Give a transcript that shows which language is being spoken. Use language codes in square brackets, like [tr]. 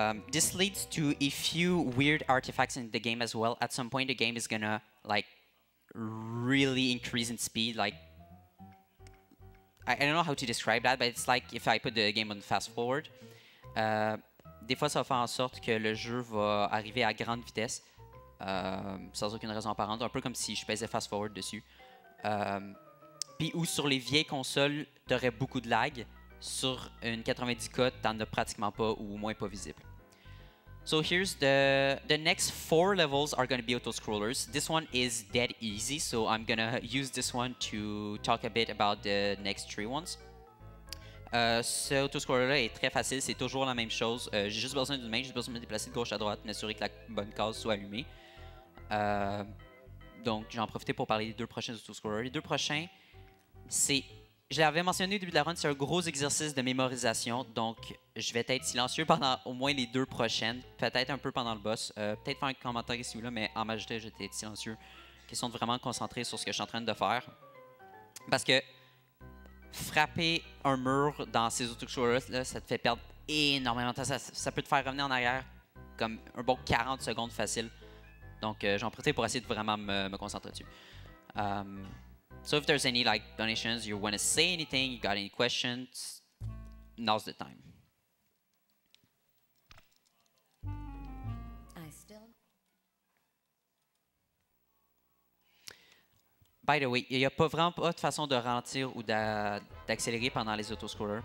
[en] This leads to a few weird artifacts in the game as well. At some point, the game is gonna, like, really increase in speed. Like, I don't know how to describe that, but it's like if I put the game on fast forward. [fr] Des fois, ça va faire en sorte que le jeu va arriver à grande vitesse, sans aucune raison apparente, un peu comme si je pesais fast-forward dessus. Puis, où sur les vieilles consoles, t'aurais beaucoup de lag, sur une 90K, t'en as pratiquement pas ou au moins pas visible. [en] So here's the next 4 levels are going to be auto-scrollers. This one is dead easy, so I'm going to use this one to talk a bit about the next 3 ones. [fr] Ce auto-scroller-là est très facile, c'est toujours la même chose. J'ai juste besoin d'une main, j'ai besoin de me déplacer de gauche à droite, m'assurer que la bonne case soit allumée. Donc, j'en profite pour parler des 2 prochains auto-scrollers. Les 2 prochains, c'est... Je l'avais mentionné au début de la run, c'est un gros exercice de mémorisation. Donc, je vais être silencieux pendant au moins les 2 prochaines. Peut-être un peu pendant le boss. Peut-être faire un commentaire ici ou là, mais en majorité, je vais être silencieux. Question de vraiment concentrer sur ce que je suis en train de faire. Parce que... Frapper un mur dans ces auto-scrollers-là, ça te fait perdre énormément de temps. Ça peut te faire revenir en arrière comme un bon 40 secondes facile. Donc, j'en profite pour essayer de vraiment me concentrer dessus. [en] So, if there's any like donations, you want to say anything, you got any questions, now's the time. By the way, [fr] il n'y a pas vraiment pas de façon de ralentir ou d'accélérer pendant les autoscrollers.